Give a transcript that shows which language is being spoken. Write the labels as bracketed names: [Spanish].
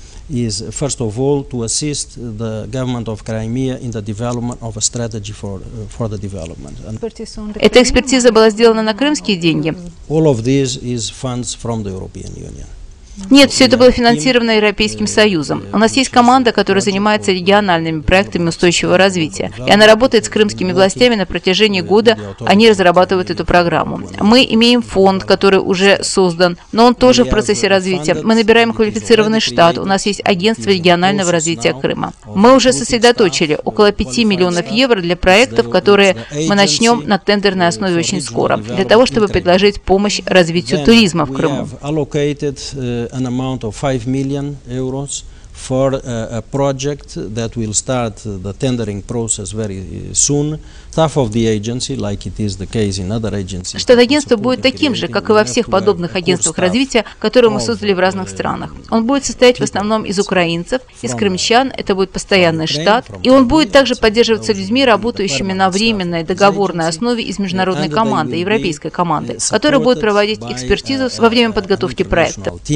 [English] Is first of all to assist the government of Crimea in the development of a strategy for the development. [Russian] Эта экспертиза была сделана на крымские деньги. [English] All of this is funds from the European Union. [Russian] Нет, все это было финансировано Европейским Союзом. У нас есть команда, которая занимается региональными проектами устойчивого развития. И она работает с крымскими властями на протяжении года, они разрабатывают эту программу. Мы имеем фонд, который уже создан, но он тоже в процессе развития. Мы набираем квалифицированный штат, у нас есть агентство регионального развития Крыма. Мы уже сосредоточили около 5 миллионов евро для проектов, которые мы начнем на тендерной основе очень скоро, для того, чтобы предложить помощь развитию туризма в Крыму. [English] An amount of 5 million euros for a project that will start the tendering process very soon. [Russian] Штат-агентство будет таким же, как и во всех подобных агентствах развития, которые мы создали в разных странах. Он будет состоять в основном из украинцев, из крымчан, это будет постоянный штат, и он будет также поддерживаться людьми, работающими на временной договорной основе из международной команды, европейской команды, которая будет проводить экспертизу во время подготовки проекта.